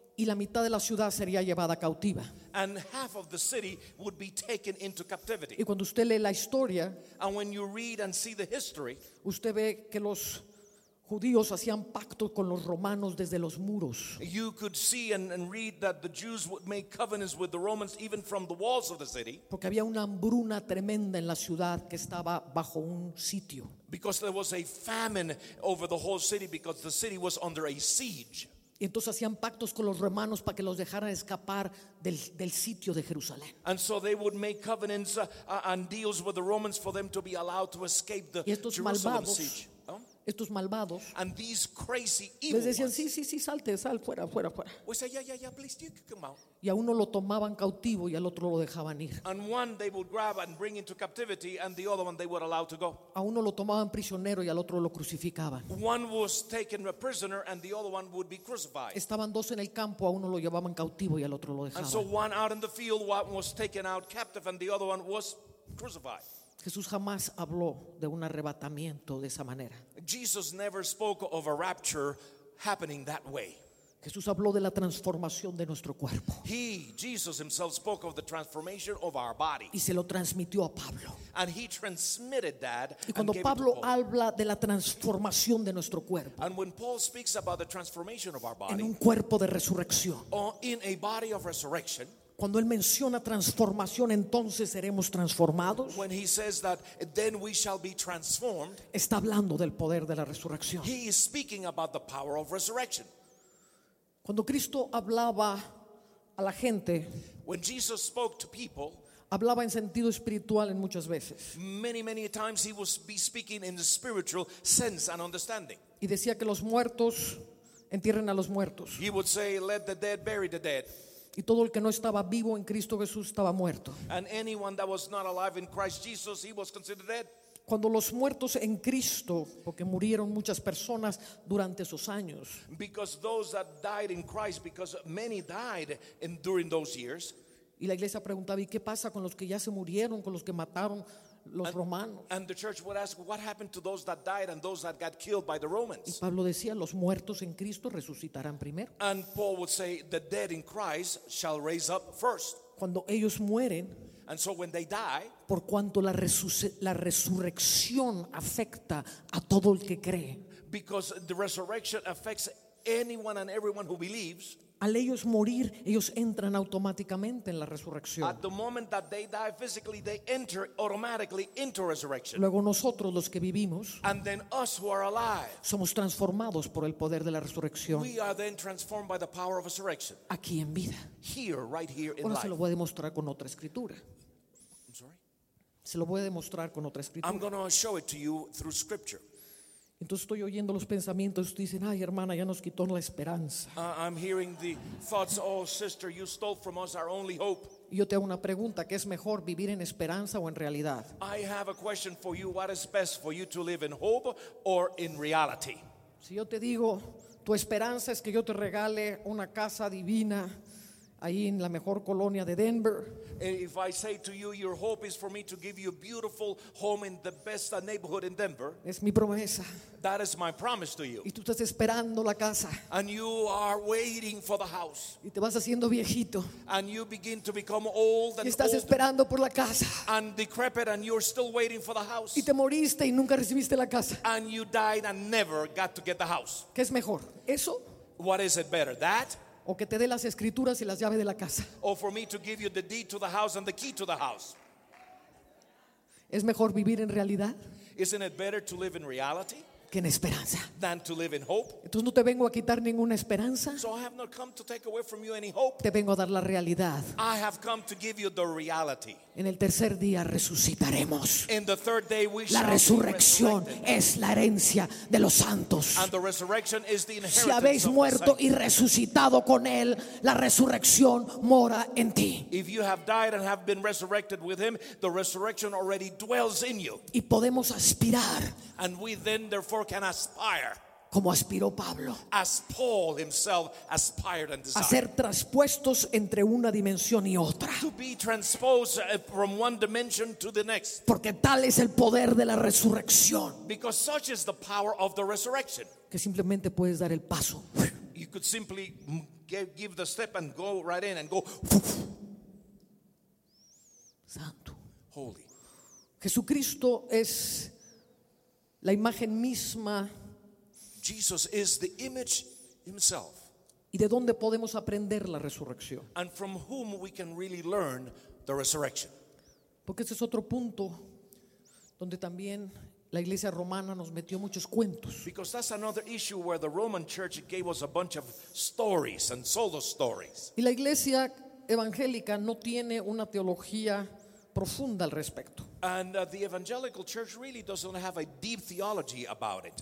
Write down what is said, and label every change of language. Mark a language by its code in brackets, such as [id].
[es] Y la mitad de la ciudad sería llevada cautiva. [en] And half of the city would be taken into captivity. [es] Y cuando usted lee la historia, [en] and when you read and see the history, [es] usted ve que los judíos hacían pacto con los romanos desde los muros. [en] You could see and read that the Jews would make covenants with the Romans even from the walls of the city. [es] Porque había una hambruna tremenda en la ciudad que estaba bajo un sitio. [en] Because there was a famine over the whole city because the city was under a siege. [es] Y entonces hacían pactos con los romanos para que los dejaran escapar del sitio de Jerusalén. [en] And so they would make covenants and deals with the Romans for them to be allowed to escape the Jerusalem siege. [es] Estos malvados, [en] and these crazy evil, [es] les decían sí, salte, sal fuera. [en] We say, yeah, please, you can come out. [es] Y a uno lo tomaban cautivo y al otro lo dejaban ir. [en] And one they would grab and bring into captivity, and the other one they would allow to go. [es] A uno lo tomaban prisionero y al otro lo crucificaban. [en] One was taken a prisoner and the other one would be crucified. [es] Estaban dos en el campo, a uno lo llevaban cautivo y al otro lo dejaban. [en] And so one out in the field, one was taken out captive and the other one was crucified. [es] Jesús jamás habló de un arrebatamiento de esa manera. [en] Jesus never spoke of a rapture happening that way. [es] Jesús habló de la transformación de nuestro cuerpo. [en] He, Jesus himself, spoke of the transformation of our body. [es] Y se lo transmitió a Pablo. [en] And he transmitted that. [es] Y cuando Pablo habla de la transformación de nuestro cuerpo, [en] and when Paul speaks about the transformation of our body, [es] en un cuerpo de resurrección, [en] or in a body of resurrection, [es] cuando él menciona transformación, entonces seremos transformados. [en] When he says that, then we shall be transformed. [es] Está hablando del poder de la resurrección. [en] He is speaking about the power of resurrection. [es] Cuando Cristo hablaba a la gente, [en] when Jesus spoke to people, [es] hablaba en sentido espiritual en muchas veces. [en] Many times he would be speaking in the spiritual sense and understanding. [es] Y decía que los muertos entierren a los muertos. [en] He would say, let the dead bury the dead. [es] Y todo el que no estaba vivo en Cristo Jesús estaba muerto. [en] And anyone that was not alive in Christ Jesus, he was considered dead. [es] Cuando los muertos en Cristo, porque murieron muchas personas durante esos años, [en] because those that died in Christ, because many died in, during those years. [es] Y la iglesia preguntaba, ¿y qué pasa con los que ya se murieron, con los que mataron los romanos? [en] And the church would ask, what happened to those that died and those that got killed by the Romans? [es] Y Pablo decía, los muertos en Cristo resucitarán primero. [en] And Paul would say, the dead in Christ shall raise up first. [es] Cuando ellos mueren, [en] and so when they die, [es] por cuanto la resurrección afecta a todo el que cree, [en] because the resurrection affects anyone and everyone who believes, [es] al ellos morir, ellos entran automáticamente en la resurrección. [en] At the moment that they die physically, they enter automatically into resurrection. [es] Luego nosotros, los que vivimos, [en] and then us who are alive, [es] somos transformados por el poder de la resurrección. [en] We are then transformed by the power of resurrection. [es] Aquí en vida. [en] Here, right here in life. [es] Ahora se lo voy a demostrar con otra escritura. [en] I'm sorry. [es] Se lo voy a demostrar con otra escritura. [en] I'm going to show it to you through scripture. [es] Entonces estoy oyendo los pensamientos y ustedes dicen, ay hermana, ya nos quitó la esperanza. [en] I'm hearing the thoughts, oh sister, you stole from us our only hope. [es] Y yo te hago una pregunta, ¿qué es mejor, vivir en esperanza o en realidad? [en] I have a question for you, what is best for you to live in hope or in reality? [es] Si yo te digo, Tu esperanza es que yo te regale una casa divina ahí en la mejor colonia de Denver. [en] If I say to you, your hope is for me to give you a beautiful home in the best neighborhood in Denver. [es] Es mi promesa. [en] That is my promise to you. [es] Y tú estás esperando la casa. [en] And you are waiting for the house. [es] Y te vas haciendo viejito. [en] And you begin to become old and [es] y estás [en] old [es] esperando por la casa. [en] And decrepit, and you're still waiting for the house. [es] Y te moriste y nunca recibiste la casa. [en] And you died and never got to get the house. [es] ¿Qué es mejor? ¿Eso? [en] What is it better? That? [es] O que te dé las escrituras y las llaves de la casa. [en] Or for me to give you the deed to the house and the key to the house. [es] ¿Es mejor vivir en realidad? [en] Isn't it better to live in reality? [es] Que en esperanza. [en] Than to live in hope. [es] Entonces no te vengo a quitar ninguna esperanza. [en] So I have not come to take away from you any hope. [es] Te vengo a dar la realidad. [en] I have come to give you the reality. [es] En el tercer día resucitaremos. [en] In the third day we [es] la resurrección es la herencia de los santos. [en] And the resurrection is the inheritance. [es] Si habéis muerto y resucitado con él, la resurrección mora en ti. [en] If you have died and have been resurrected with him, the resurrection already dwells in you. [es] Y podemos aspirar. [en] And we then therefore can aspire. [es] Como aspiró Pablo. [en] As Paul himself aspired and desired. [es] A ser traspuestos entre una dimensión y otra. [en] To be transposed from one dimension to the next. [es] Porque tal es el poder de la resurrección. [en] Because such is the power of the resurrection. [es] Que simplemente puedes dar el paso. [en] You could simply give the step and go right in and go. [es] Santo. [en] Holy. [es] Jesucristo es la imagen misma. [en] Jesus is the image himself. [es] ¿Y de dónde podemos aprender la resurrección? [en] And from whom we can really learn the resurrection. [es] Porque ese es otro punto donde también la iglesia romana nos metió muchos cuentos. [en] Because that's another issue where the Roman church gave us a bunch of stories and sold us stories. [es] Y la iglesia evangélica no tiene una teología profunda al respecto. [en] And the evangelical church really doesn't have a deep theology about it.